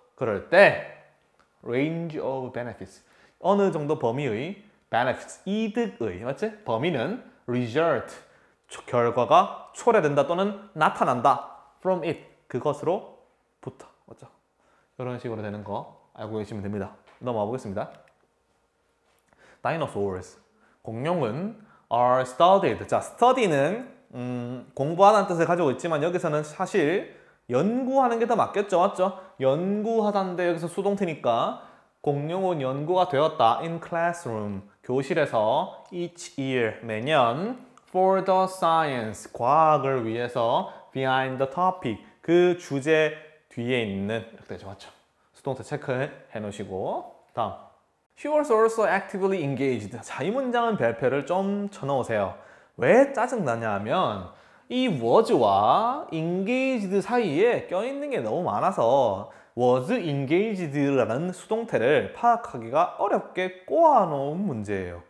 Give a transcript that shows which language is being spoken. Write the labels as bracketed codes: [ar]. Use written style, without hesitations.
[ko] 그럴 때 [en] range of benefits [ko] 어느 정도 범위의 benefits 이득의 맞지? 범위는 result 결과가 초래된다 또는 나타난다 [en] from it [ko] 그것으로부터 맞죠? 이런 식으로 되는 거 알고 계시면 됩니다. 넘어가 보겠습니다. [en] Dinosaurs [ko] 공룡은 [en] are studied. [ko] 자, study는 공부하다는 뜻을 가지고 있지만 여기서는 사실 연구하는 게 더 맞겠죠. 맞죠? 연구하다인데 여기서 수동태니까 공룡은 연구가 되었다. [en] In classroom [ko] 교실에서 [en] each year 매년 for the science [ko] 과학을 위해서 [en] behind the topic [ko] 그 주제 뒤에 있는 이렇게 되죠. 맞죠? 수동태 체크해 놓으시고 다음 [en] She was also actively engaged. [ko] 자, 이 문장은 별표를 좀 쳐놓으세요. 왜 짜증나냐 하면 이 was와 engaged 사이에 껴있는 게 너무 많아서 was engaged라는 수동태를 파악하기가 어렵게 꼬아놓은 문제예요.